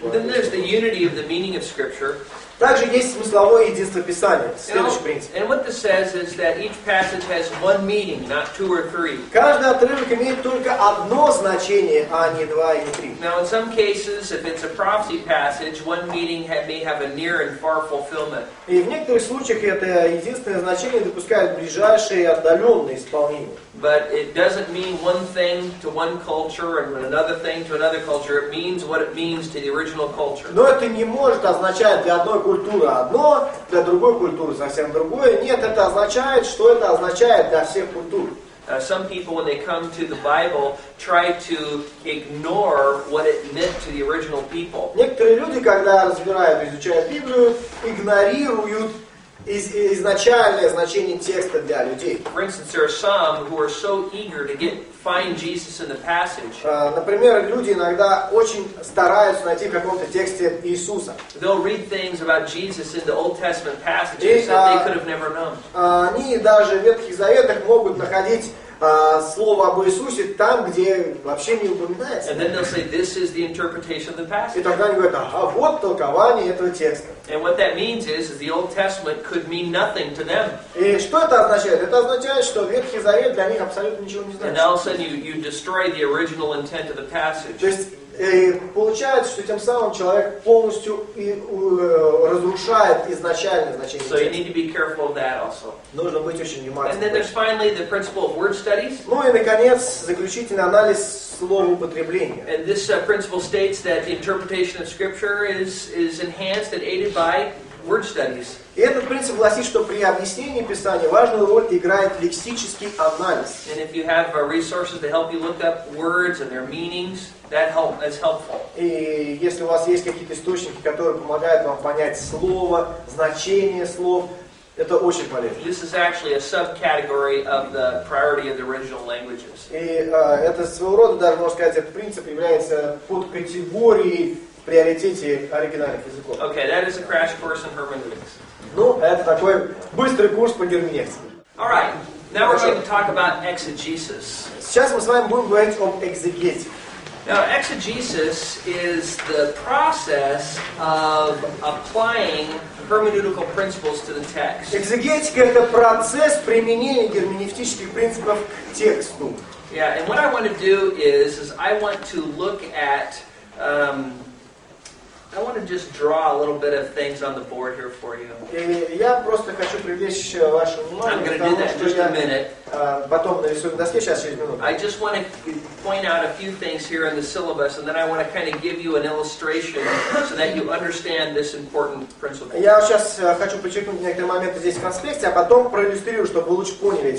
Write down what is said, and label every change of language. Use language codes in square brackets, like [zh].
[en] Then there's the unity of the meaning of Scripture. [ru] Также есть смысловое единство Писания. Следующий принцип. [en] And what this says is that each passage has one meaning, not two or three. [ru] Каждый отрывок имеет только одно значение, а не два или три. [en] Now, in some cases, if it's a prophecy passage, one meaning may have a near and far fulfillment. [ru] И в некоторых случаях это единственное значение допускает ближайшее и отдаленное исполнение. [en] But it doesn't mean one thing to one culture and another thing to another culture. It means what it means to the original culture. [ru] Но это не может означать для одной культуры одно, для другой культуры совсем другое. Нет, это означает, что это означает для всех культур. [en] Some people, when they come to the Bible, try to ignore what it meant to the original people. [ru] Некоторые люди, когда разбирают, изучают Библию, игнорируют изначальное значение текста для людей. [en] For instance, there are some who are so eager to find Jesus in the passage. [ru] Например, люди иногда очень стараются найти в каком-то тексте Иисуса. [en] They'll read things about Jesus in the Old Testament passages that they could have never known. [ru] Они даже в Ветхих Заветах могут находить слово об Иисусе там, где вообще не упоминается. [en] And then they'll say, this is the interpretation of the passage. [ru] И тогда они говорят, а вот толкование этого текста. [en] And what that means is the Old Testament could mean nothing to them. [ru] И что это означает? Это означает, что Ветхий Завет для них абсолютно ничего не значит. [en] And all of a sudden you destroy the original intent of the passage. [ru] То есть, и получается, что тем самым человек полностью разрушает изначальное значение. [en] So you need to be careful of that also. [ru] Нужно быть очень внимательным. [en] And then there's finally the principle of word studies. [ru] Ну и наконец, заключительный анализ слова употребления. [en] And this principle states that the interpretation of scripture is enhanced and aided by word studies. [ru] И этот принцип гласит, что при объяснении Писания важную роль играет лексический анализ. [en] And if you have resources to help you look up words and their meanings, that's helpful. [ru] И если у вас есть какие-то источники, которые помогают вам понять слово, значение слов, это очень полезно. [en] This is actually a subcategory of the priority of the original languages. [ru] И это своего рода, даже можно сказать, этот принцип является подкатегорией в приоритете оригинальных языков. [en] Okay, that is a crash course in hermeneutics. [ru] Ну, это такой быстрый курс по герменевтике. [en] All right, now we're going to talk about exegesis. [ru] Сейчас мы с вами будем говорить об экзегетике. [en] Now, exegesis is the process of applying hermeneutical principles to the text. [ru] Экзегетика — это процесс применения герменевтических принципов к тексту. [en] Yeah, and what I want to do is I want to look at... I want to just draw a little bit of things on the board here for you. [ru] Я просто хочу привлечь ваше внимание. [en] I'm going to do that in just a minute. [ru] Потом нарисую на доске, сейчас, через минуту. [en] I just want to point out a few things here in the syllabus, and then I want to kind of give you an illustration so that you understand this important principle. [ru] Я сейчас хочу подчеркнуть некоторые моменты здесь в конспекте, а потом проиллюстрирую, чтобы вы лучше поняли.